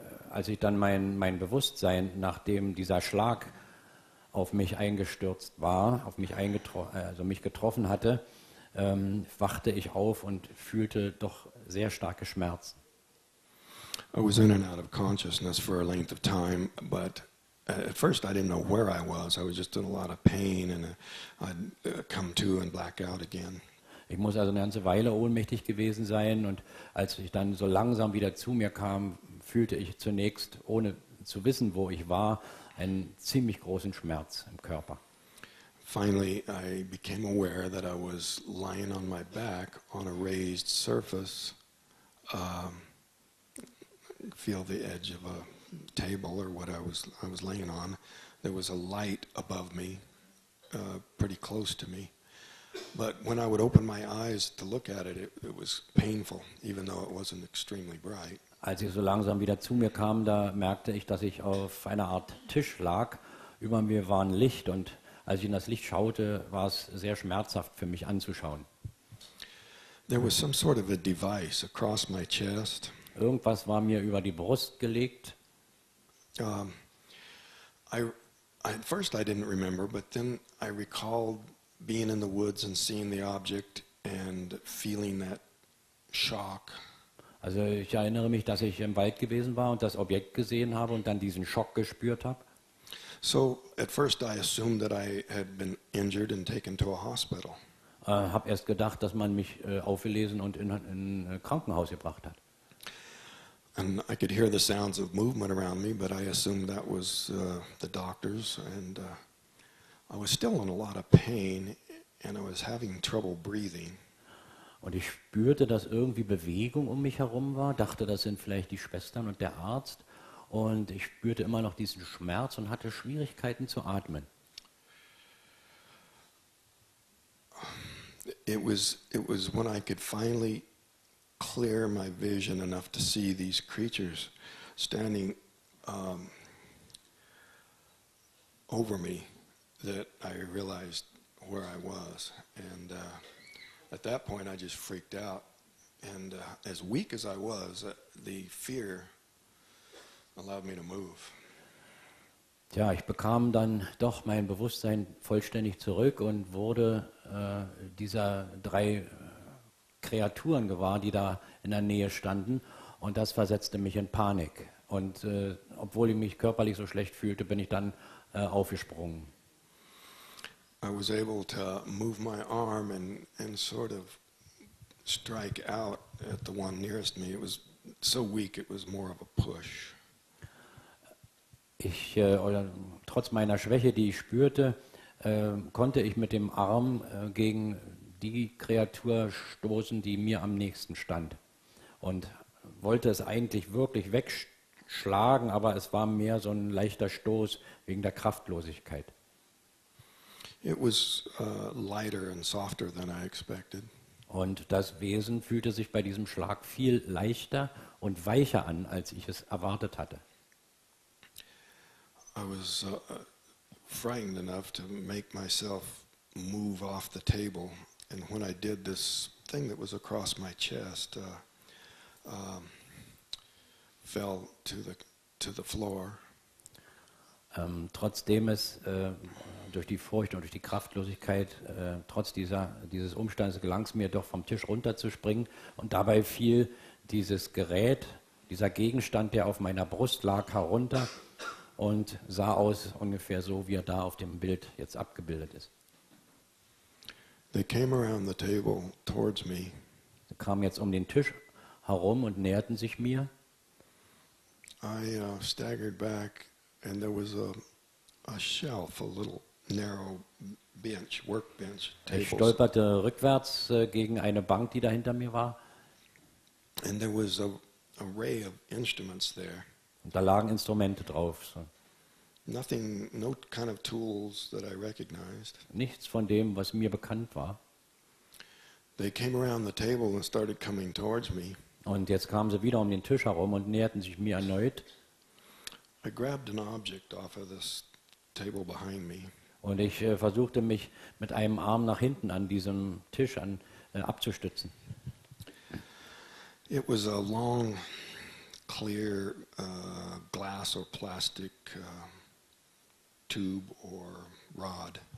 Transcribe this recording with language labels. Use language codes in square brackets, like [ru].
[de] Als ich dann mein Bewusstsein, nachdem dieser Schlag auf mich eingestürzt war, auf mich mich getroffen hatte, wachte ich auf und fühlte doch sehr starke Schmerzen. [en] I was in and out of consciousness for a length of time, but at first I didn't know where I was. I was just in a lot of pain and I'd come to and black out again. [de] Ich muss also eine ganze Weile ohnmächtig gewesen sein, und als ich dann so langsam wieder zu mir kam, fühlte ich zunächst, ohne zu wissen, wo ich war, einen ziemlich großen Schmerz im Körper. [en] Finally, I became aware that I was lying on my back on a raised surface, feel the edge of a table or what I was laying on. There was a light above me, pretty close to me. But when I would open my eyes to look at it, it was painful, even though it wasn't extremely bright. [de] Als ich so langsam wieder zu mir kam, da merkte ich, dass ich auf einer Art Tisch lag. Über mir war ein Licht, und als ich in das Licht schaute, war es sehr schmerzhaft für mich anzuschauen. [en] There was some sort of a device across my chest. [de] Irgendwas war mir über die Brust gelegt. [en] At first I didn't remember, but then I recalled being in the woods and seeing the object and feeling that shock. [de] Also ich erinnere mich, dass ich im Wald gewesen war und das Objekt gesehen habe und dann diesen Schock gespürt habe. [en] So at first I assumed that I had been injured and taken to a hospital. [de] Habe erst gedacht, dass man mich aufgelesen und in ein Krankenhaus gebracht hat. [en] And I could hear the sounds of movement around me, but I assumed that was the doctors, and I was still in a lot of pain and I was having trouble breathing. [de] Und ich spürte, dass irgendwie Bewegung um mich herum war, dachte, das sind vielleicht die Schwestern und der Arzt, und ich spürte immer noch diesen Schmerz und hatte Schwierigkeiten zu atmen. [en] It was when I could finally clear my vision enough to see these creatures standing over me that I realized where I was, and at that point I just freaked out, and as weak as I was, the fear allowed me to move. [de] Tja, ich bekam dann doch mein Bewusstsein vollständig zurück und wurde dieser drei Kreaturen gewahr, die da in der Nähe standen, und das versetzte mich in Panik, und obwohl ich mich körperlich so schlecht fühlte, bin ich dann aufgesprungen. [en] I was able to move my arm and sort of strike out at the one nearest me. It was so weak, it was more of a push. [de] Ich oder trotz meiner Schwäche, die ich spürte, konnte ich mit dem Arm gegen die Kreatur stoßen, die mir am nächsten stand, und wollte es eigentlich wirklich wegschlagen, aber es war mehr so ein leichter Stoß wegen der Kraftlosigkeit. [en] It was lighter and softer than I expected. [de] Und das Wesen fühlte sich bei diesem Schlag viel leichter und weicher an, als ich es erwartet hatte. [en] I was frightened enough to make myself move off the table, and when I did, this thing that was across my chest fell to the floor. [de] Trotzdem es durch die Furcht und durch die Kraftlosigkeit, trotz dieses Umstandes, gelang es mir doch, vom Tisch runterzuspringen, und dabei fiel dieses Gerät, dieser Gegenstand, der auf meiner Brust lag, herunter und sah aus ungefähr so, wie er da auf dem Bild jetzt abgebildet ist. [en] They came around the table towards me. [de] Sie kamen jetzt um den Tisch herum und näherten sich mir. [en] I staggered back. And there was a shelf, a little narrow bench, workbench, table. [de] Ich stolperte rückwärts gegen eine Bank, die da hinter mir war. [en] And there was an array of instruments there. [de] Und da lagen Instrumente drauf. So. [en] Nothing, no kind of tools that I recognized. [de] Nichts von dem, was mir bekannt war. [en] They came around the table and started coming towards me. [de] Und jetzt kamen sie wieder um den Tisch herum und näherten sich mir erneut. [en] I grabbed an object off of this table behind me. [de] Und ich versuchte, mich mit einem Arm nach hinten an diesem Tisch abzustützen. [en] It was a long, clear glass or plastic tube or rod.